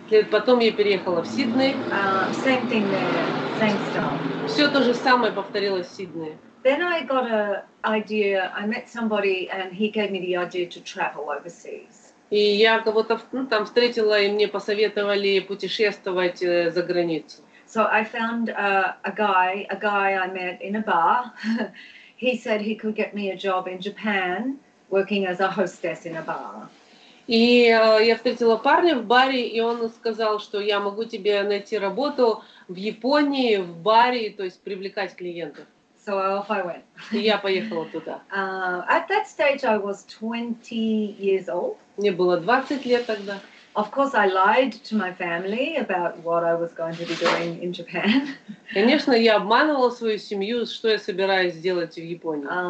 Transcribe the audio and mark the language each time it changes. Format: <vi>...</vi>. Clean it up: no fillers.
<ru>Потом я переехала в Сидней.</ru> <en>Same thing there, same stuff.</en> <ru>Все то же самое повторилось в Сиднее.</ru> <en>Then I got a idea. I met somebody and he gave me the idea to travel overseas.</en> <ru>И я кого-то, ну, там встретила, и мне посоветовали путешествовать, за границу.</ru> <en>So I found a guy I met in a bar. He said he could get me a job in Japan, working as a hostess in a bar.</en> <ru>И я встретила парня в баре, и он сказал, что я могу тебе найти работу в Японии, в баре, то есть привлекать клиентов.</ru> <en>So off I went.</en> <ru>И я поехала туда.</ru> <en>At that stage I was 20 years old.</en> <ru>Мне было 20 лет тогда.</ru> <en>Of course, I lied to my family about what I was going to be doing in Japan.</en> <ru>Конечно, я обманывала свою семью, что я собираюсь сделать в Японии.</ru>